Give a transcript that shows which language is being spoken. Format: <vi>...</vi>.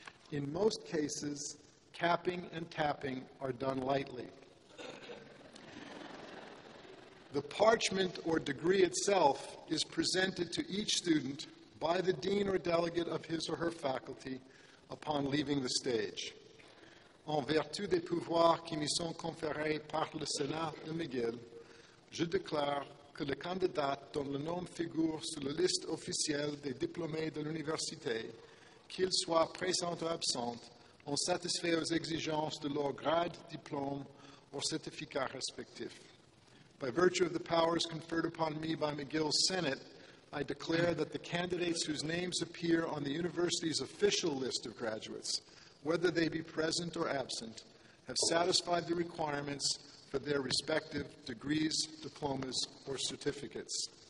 <en>In most cases, capping and tapping are done lightly. The parchment or degree itself is presented to each student by the dean or delegate of his or her faculty upon leaving the stage.</en> <fr>En vertu des pouvoirs qui me sont conférés par le Sénat de McGill, je déclare que le candidat dont le nom figure sur la liste officielle des diplômés de l'université, qu'il soit présent ou absent, ont satisfait aux exigences de leur grade, diplôme ou certificat respectif.</fr> <en>By virtue of the powers conferred upon me by McGill's Senate, I declare that the candidates whose names appear on the university's official list of graduates, whether they be present or absent, have satisfied the requirements for their respective degrees, diplomas, or certificates.</en>